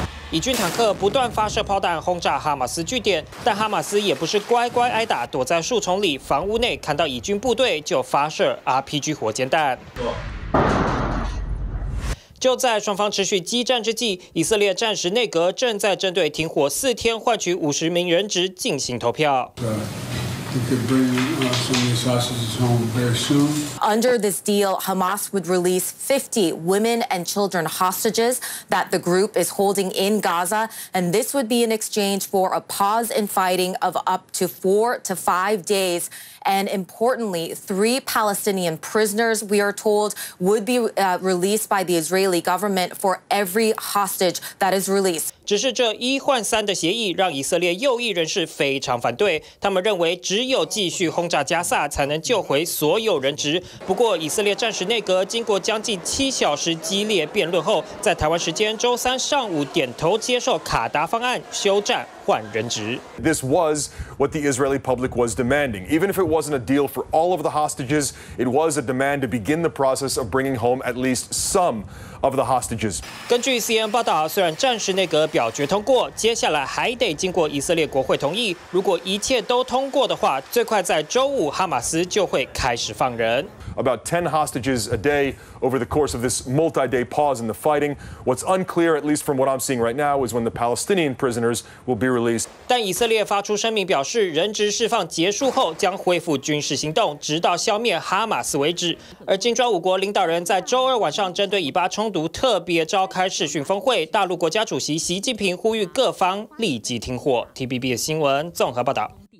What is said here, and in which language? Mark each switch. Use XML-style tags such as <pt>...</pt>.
<zh>以军坦克不断发射炮弹轰炸哈马斯据点，但哈马斯也不是乖乖挨打，躲在树丛里、房屋内，看到以军部队就发射 RPG 火箭弹。就在双方持续激战之际，以色列暂时内阁正在针对停火4天换取50名人质进行投票。</zh> <en>Under this deal, Hamas would release 50 women and children hostages that the group is holding in Gaza, and this would be in exchange for a pause in fighting of up to 4 to 5 days. And importantly, 3 Palestinian prisoners, we are told, would be released by the Israeli government for every hostage that is released.</en> <zh>只是这一换三的协议让以色列右翼人士非常反对，他们认为只有继续轰炸加萨才能救回所有人质。不过以色列暂时内阁经过将近七小时激烈辩论后，在台湾时间周三上午点头接受卡达方案休战换人质。</zh> <en>This was what the Israeli public was demanding. Even if it wasn't a deal for all of the hostages, it was a demand to begin the process of bringing home at least some of the hostages.</en> <zh>根据 CNN 报道，虽然暂时内阁表决通过，接下来还得经过以色列国会同意。如果一切都通过的话，最快在周五，哈马斯就会开始放人。</zh> <en>About 10 hostages a day over the course of this multi-day pause in the fighting. What's unclear, at least from what I'm seeing right now, is when the Palestinian prisoners will be released.</en> <zh>但以色列发出声明表示，人质释放结束后将恢复军事行动，直到消灭哈马斯为止。而金砖五国领导人在周二晚上针对以巴冲突特别召开视讯峰会，大陆国家主席习近平呼吁各方立即停火。 TBB 的新闻综合报道。</zh>